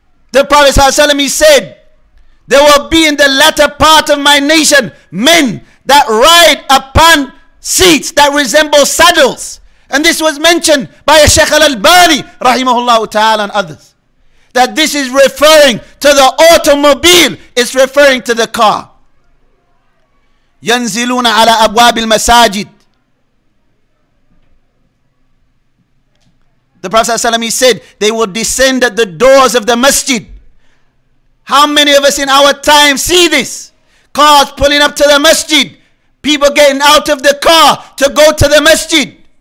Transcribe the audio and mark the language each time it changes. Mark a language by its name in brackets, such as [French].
[English] The Prophet ﷺ, he said, there will be in the latter part of my nation men that ride upon seats that resemble saddles. And this was mentioned by Sheikh Al-Albani rahimahullah ta'ala and others, that this is referring to the automobile. It's referring to the car. [Arabic] ينزلون على أبواب المساجد. [English] The Prophet ﷺ, he said, they will descend at the doors of the masjid. How many of us in our time see this? Cars pulling up to the masjid. People getting out of the car to go to the masjid.